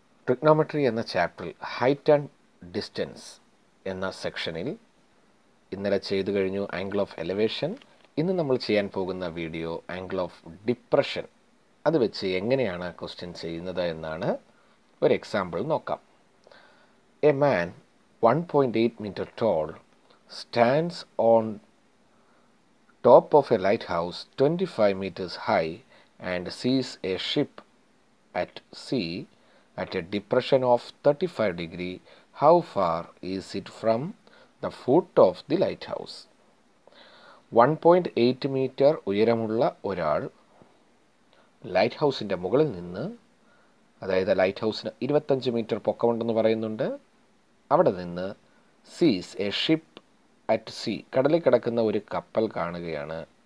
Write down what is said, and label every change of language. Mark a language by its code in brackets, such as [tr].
[ml] Trigonometry എന്ന ചാപ്റ്ററിൽ height and distance എന്ന സെക്ഷനിൽ ഇന്നലെ ചെയ്തു കഴിഞ്ഞു ആംഗിൾ ഓഫ് എലിവേഷൻ. ഇന്ന് നമ്മൾ ചെയ്യാൻ പോകുന്ന വീഡിയോ ആംഗിൾ ഓഫ് ഡിപ്രഷൻ, അത് വെച്ച് എങ്ങനെയാണ് ക്വസ്റ്റ്യൻ ചെയ്യുന്നത് എന്നാണ്. ഒരു എക്സാമ്പിൾ നോക്കാം. [en] A man 1.8 meter tall stands on top of a lighthouse 25 meters high and sees a ship at sea at a depression of 35 degree. How far is it from the foot of the lighthouse? [ml] 1.8 meter ഉയരമുള്ള ഒരാൾ ലൈറ്റ്ഹൗസിൻ്റെ മുകളിൽ നിന്ന്, അതായത് ലൈറ്റ്ഹൗസിന് 25 metre പൊക്കമുണ്ടെന്ന് പറയുന്നുണ്ട്, അവിടെ നിന്ന് [en] sees a ship at sea, [ml] കടലിൽ കിടക്കുന്ന ഒരു കപ്പൽ കാണുകയാണ്.